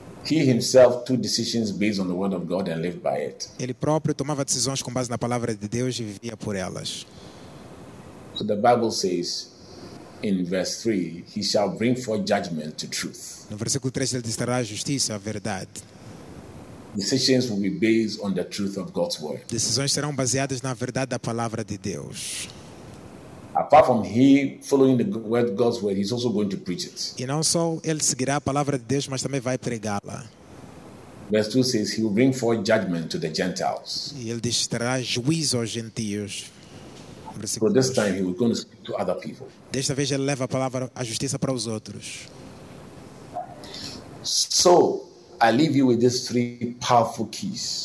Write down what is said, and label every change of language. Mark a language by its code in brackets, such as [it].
[en] He himself took decisions based on the word of God and lived by it. [pt] Ele próprio tomava decisões com base na palavra de Deus e vivia por elas. [en] So the Bible says, in verse 3, he shall bring forth judgment to truth. [pt] No versículo 3, ele destrará a justiça, a verdade. [en] Decisions will be based on the truth of God's word. [pt] Decisões serão baseadas na verdade da palavra de Deus. [en] Apart from he following the word God's word, he's also going to preach it. [pt] E não só ele seguirá a palavra de Deus, mas também vai pregá-la. [en] Verse 2 says he will bring forth judgment to the Gentiles. [pt] E ele destrará juízo aos gentios. [en] So this time he was going to speak to other people. [pt] Desta vez ele leva a palavra à justiça para os outros. [en] So I leave you with these 3 powerful keys.